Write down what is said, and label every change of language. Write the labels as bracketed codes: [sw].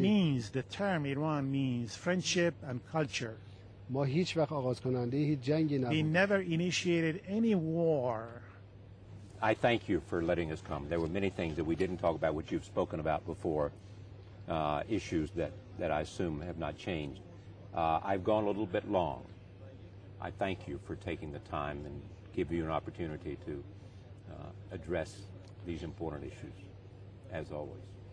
[en] Iran means, the term Iran means friendship and culture. [fa] ما هیچ وقت آغاز کننده هیچ جنگی نبودیم. [en] We never initiated any war. I thank you for letting us come. There were many things that we didn't talk about, which you've spoken about before. Issues that I assume have not changed. I've gone a little bit long. I thank you for taking the time and give you an opportunity to address these important issues, as always.